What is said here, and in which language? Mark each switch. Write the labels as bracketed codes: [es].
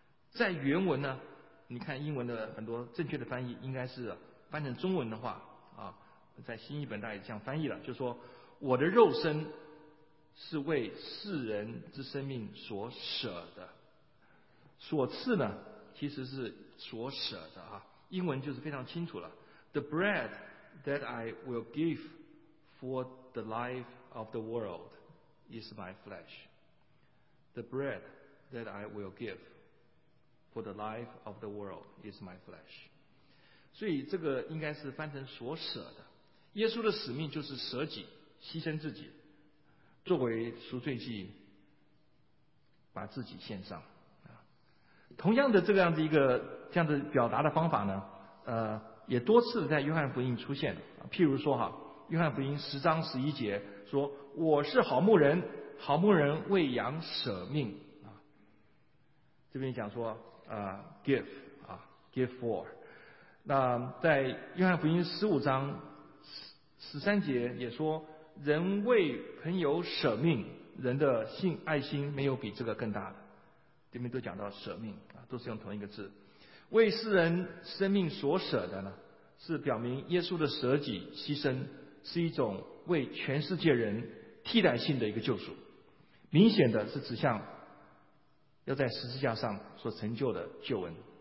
[zh] 在原文呢，你看英文的很多正确的翻译应该是翻成中文的话啊，在新译本大概这样翻译了，就说我的肉身是为世人之生命所舍的，所赐呢其实是所舍的啊，英文就是非常清楚了， [en] The bread that I will give for the life of the worldis my flesh. The bread that I will give for the life of the world is my flesh. [zh] 所以这个应该是翻成所舍的。耶稣的使命就是舍己，牺牲自己，作为赎罪祭，把自己献上。同样的这样的一个这样的表达的方法呢，也多次在约翰福音出现。譬如说哈，约翰福音十章十一节说我是好牧人，好牧人为羊舍命啊。这边讲说give 啊 ，give for。那在约翰福音十五章十三节也说，人为朋友舍命，人的性爱心没有比这个更大的。这边都讲到舍命啊，都是用同一个字。为世人生命所舍的呢，是表明耶稣的舍己牺牲是一种为全世界人替代性的一个救赎，明显的是指向要在十字架上所成就的救恩。